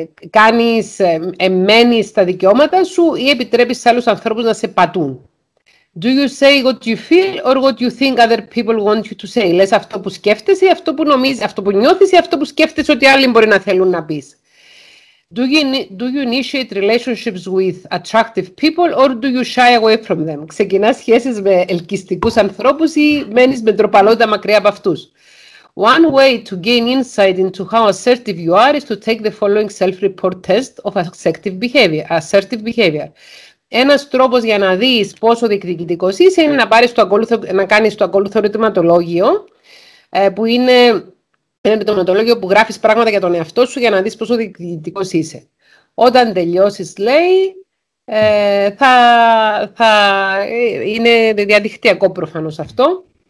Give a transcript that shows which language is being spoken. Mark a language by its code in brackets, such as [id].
[el] Κάνεις, εμένεις τα δικαιώματα σου ή επιτρέπεις άλλους ανθρώπους να σε πατούν? [en] Do you say what you feel or what you think other people want you to say? [el] Λες αυτό που σκέφτεσαι, αυτό που νομίζεις, αυτό που νιώθεις ή αυτό που σκέφτεσαι ότι άλλοι μπορεί να θέλουν να πεις? [en] Do you initiate relationships with attractive people or do you shy away from them? [el] Ξεκινάς σχέσεις με ελκυστικούς ανθρώπους ή μένεις με ντροπαλότητα μακριά από αυτούς? [en] One way to gain insight into how assertive you are is to take the following self-report test of assertive behavior. [el] Ένας τρόπος για να δεις πόσο διεκδικητικός είσαι είναι να κάνεις το ακόλουθο ερωτηματολόγιο, που είναι ένα ερωτηματολόγιο που γράφεις πράγματα για τον εαυτό σου για να δεις πόσο διεκδικητικός είσαι. Όταν τελειώσεις, λέει, θα είναι διαδικτυακό προφανώς αυτό.